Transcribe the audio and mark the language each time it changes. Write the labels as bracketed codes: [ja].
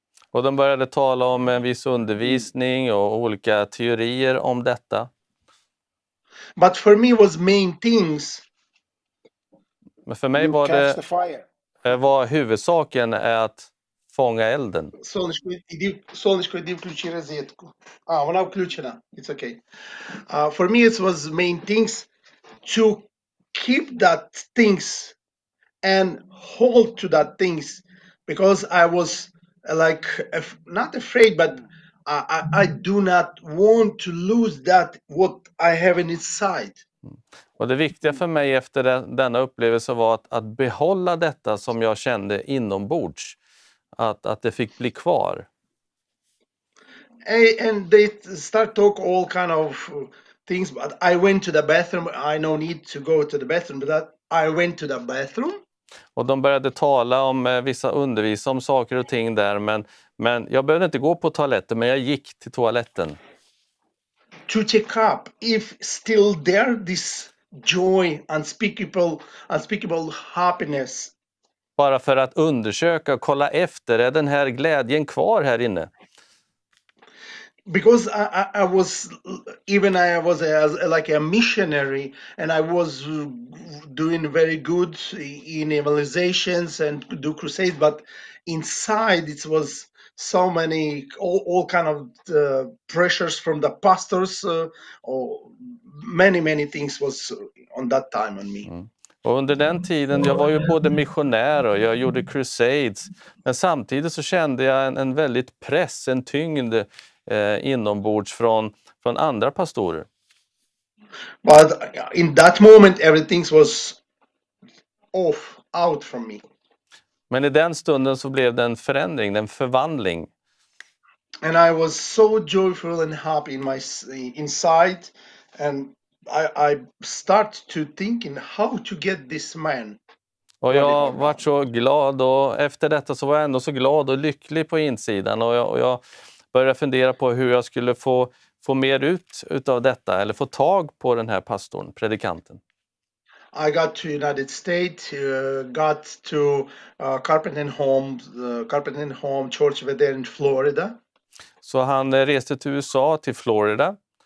[sv] Och de började tala om en viss undervisning och olika teorier om detta. [en] But for me was main things. [sv] Men för mig var det var huvudsaken är att fånga elden. [ru] Solnichko idi включи розетку. Ah, [uk] вона включена. [en] It's okay. For me it was main things to keep that things and hold to that things because I was like not afraid, but I do not want to lose that what I have inside. [sv] Och det viktiga för mig efter denna upplevelse var att behålla detta som jag kände inombords, att det fick bli kvar. [en] And they start talk all kind of things, but I went to the bathroom. I no need to go to the bathroom, but I went to the bathroom. [sv] Och de började tala om vissa undervisa om saker och ting där, men jag behövde inte gå på toaletten, men jag gick till toaletten. [en] To check up if still there this joy, unspeakable happiness. [sv] Bara för att undersöka och kolla efter, är den här glädjen kvar här inne? [en] Because I was even I was like a missionary and I was doing very good in evangelizations and do crusades, but inside it was so many all kind of pressures from the pastors or many things was on that time on me. [sv] Och under den tiden, jag var ju både missionär och jag gjorde crusades, men samtidigt så kände jag en väldigt press, en tyngd inombords från andra pastorer. [en] But in that moment everything was off out from me. [sv] Men i den stunden så blev det en förändring, en förvandling. [en] And I was so joyful and happy in my inside and I start to think in how to get this man. [sv] Och jag var så glad, och efter detta så var jag ändå så glad och lycklig på insidan, och jag började fundera på hur jag skulle få mer ut av detta, eller få tag på den här pastorn, predikanten. [en] I got to United States, got to Carpenter Home Church there in Florida. [sv] Så han reste till USA, till Florida.